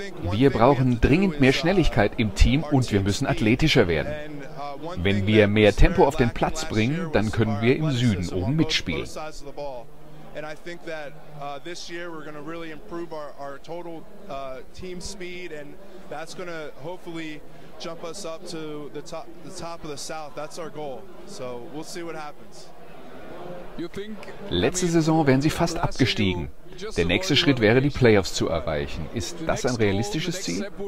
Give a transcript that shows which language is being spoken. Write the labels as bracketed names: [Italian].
[German] Wir brauchen dringend mehr Schnelligkeit im Team und wir müssen athletischer werden. Wenn wir mehr Tempo auf den Platz bringen, dann können wir im Süden oben mitspielen. [English] And I think that this year we're going to really improve our total team speed, and that's going to hopefully jump us up to the top of the South. That's our goal. So we'll see what happens. [German] Letzte Saison wären Sie fast abgestiegen. Der nächste Schritt wäre, die Playoffs zu erreichen. Ist das ein realistisches Ziel?